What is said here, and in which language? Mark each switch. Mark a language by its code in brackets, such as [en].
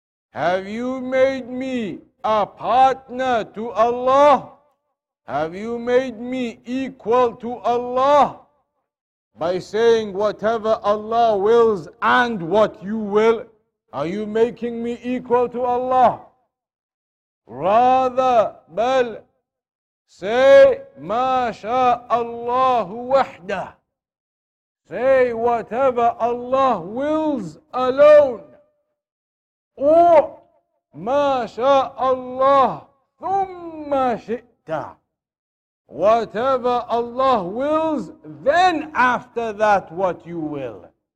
[en] Have you made me a partner to Allah? Have you made me equal to Allah by saying whatever Allah wills and what you will? Are you making me equal to Allah? Rather, [ar] بل [en] say [ar] ما شاء الله وحده. [en] Say whatever Allah wills alone. [ar] Or ma sha Allah thumma shi'ta. [en] Whatever Allah wills, then after that what you will.